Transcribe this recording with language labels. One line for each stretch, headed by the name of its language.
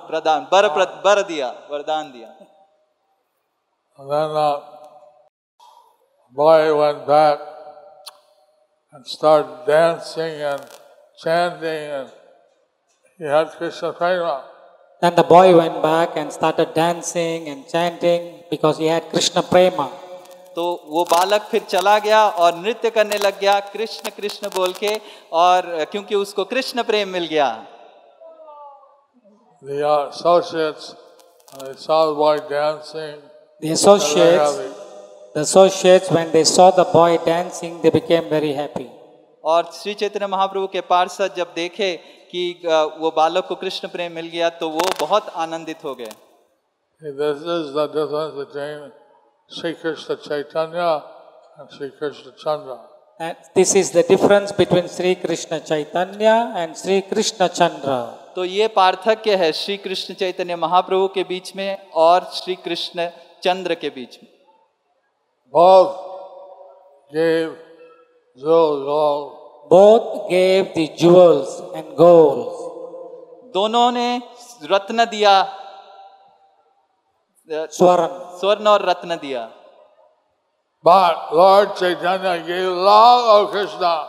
Hindi: प्रदान बर बर दिया वरदान दिया.
English: Then the boy went back and started dancing and chanting and he had Krishna prema. Then the boy went back and started dancing and chanting because he had Krishna prema.
Hindi: तो वो बालक फिर चला गया और नृत्य करने लग गया कृष्ण कृष्ण बोल के, और क्योंकि उसको कृष्ण प्रेम मिल गया.
English: The associates, they saw the boy dancing. The associates, when they saw the boy dancing, they became very happy.
Hindi: और श्री चैतन्य महाप्रभु के पार्षद जब देखे कि वो बालक को कृष्ण प्रेम मिल गया तो वो बहुत आनंदित हो गए.
English: This is the difference between Shri Krishna Chaitanya and Shri Krishna Chandra. And this is the difference between Shri Krishna Chaitanya and Shri Krishna Chandra.
Hindi: तो ये पार्थक्य है श्री कृष्ण चैतन्य महाप्रभु के बीच में और श्री कृष्ण चंद्र के बीच में.
English: Both gave jewels. Both gave the jewels and gold.
Hindi: दोनों ने रत्न दिया, स्वर्ण स्वर्ण और रत्न दिया.
English: But Lord Chaitanya gave love of Krishna.